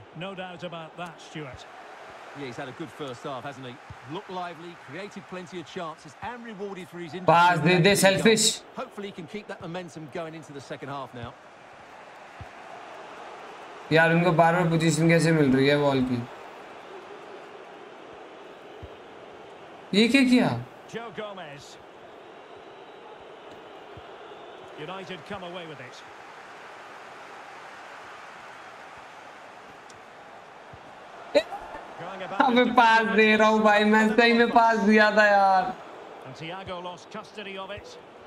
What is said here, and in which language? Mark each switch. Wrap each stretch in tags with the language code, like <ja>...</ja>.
<en>No doubt about that, Stuart. Yeah, he's had a good first half, hasn't he? Looked lively, created plenty of chances, and rewarded for his interest. But they're selfish. Hopefully, he can keep that momentum going into the second half now.</en> <hi>यार उनको बार-बार position कैसे मिल रही है ball की? ये क्या किया?</hi> <en>Joe Gomez. United come away with it.</en> <hi>अबे पास दे रहा हूँ भाई. मैं सही में पास दिया था यार.</hi> <en>And Thiago lost custody of it.</en>